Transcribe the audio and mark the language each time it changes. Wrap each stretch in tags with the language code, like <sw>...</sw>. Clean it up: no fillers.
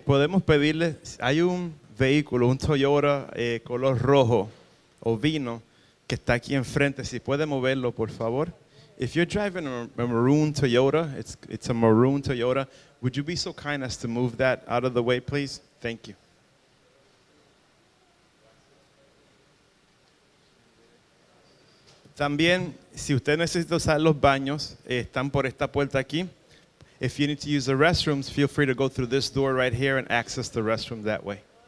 <es>Podemos pedirle, hay un vehículo, un Toyota color rojo o vino que está aquí enfrente. Si puede moverlo, por favor.</es> <en>If you're driving a maroon Toyota, it's a maroon Toyota. Would you be so kind as to move that out of the way, please? Thank you.</en> <es>También, si usted necesita usar los baños, están por esta puerta aquí.</es> <en>If you need to use the restrooms, feel free to go through this door right here and access the restroom that way.</en>